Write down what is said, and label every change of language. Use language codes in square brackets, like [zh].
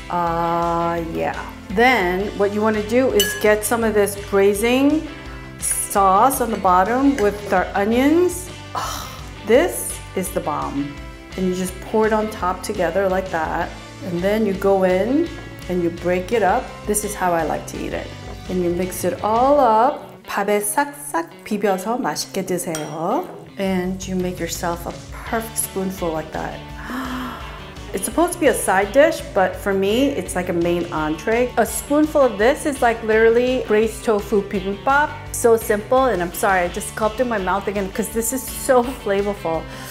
[en] Yeah. Then what you want to do is get some of this braising sauce on the bottom with our onions. Oh, this is the bomb. And you just pour it on top together like that. And then you go in and you break it up. This is how I like to eat it. And you mix it all up. [ko] 밥에 싹싹 비벼서 맛있게 드세요. [en] And you make yourself a perfect spoonful like that. It's supposed to be a side dish, but for me, it's like a main entree. A spoonful of this is like literally braised tofu bibimbap. So simple, and I'm sorry, I just sculpted my mouth again because this is so flavorful.